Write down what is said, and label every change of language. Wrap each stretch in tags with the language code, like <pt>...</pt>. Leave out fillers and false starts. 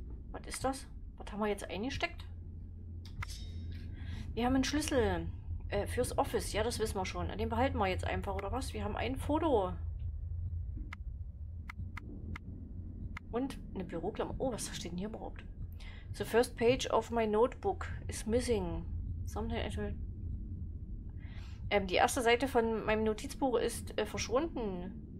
<de>Was ist das? Was haben wir jetzt eingesteckt? Wir haben einen Schlüssel. Fürs Office, ja, das wissen wir schon. Den behalten wir jetzt einfach, oder was? Wir haben ein Foto. Und eine Büroklammer. Oh, was steht denn hier überhaupt?</de> <en>The first page of my notebook is missing. Something.</en> <de>Die erste Seite von meinem Notizbuch ist verschwunden.</de>